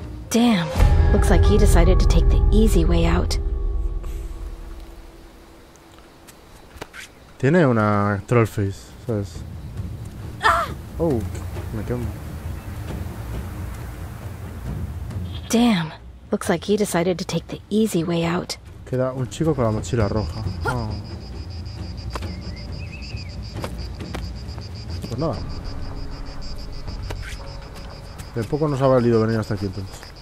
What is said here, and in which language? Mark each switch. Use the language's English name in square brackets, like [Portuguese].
[English] Damn, looks like he decided to take the easy way out. [Spanish] Tiene una troll face, ¿sabes? Oh, me quemo. [English] Damn, looks like he decided to take the easy way out. [Spanish] Queda un chico con la mochila roja. Oh. Nada. De poco nos ha valido venir hasta aquí entonces.